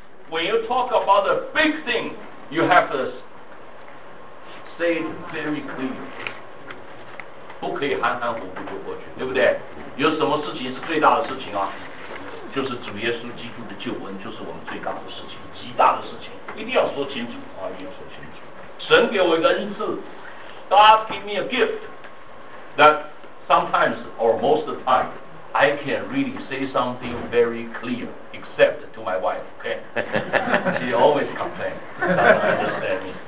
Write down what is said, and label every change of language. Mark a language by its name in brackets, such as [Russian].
[English] When you talk about the big thing, you have to say it very clear. [Chinese] 不可以含含糊糊就过去，对不对？有什么事情是最大的事情啊？就是主耶稣基督的救恩，就是我们最大的事情，极大的事情，一定要说清楚啊！一定要说清楚。神给我一个恩赐 [English] ，God give me a gift that sometimes or most of the time I can really say something very clear, except to my wife. Okay, she always complains. Understand me?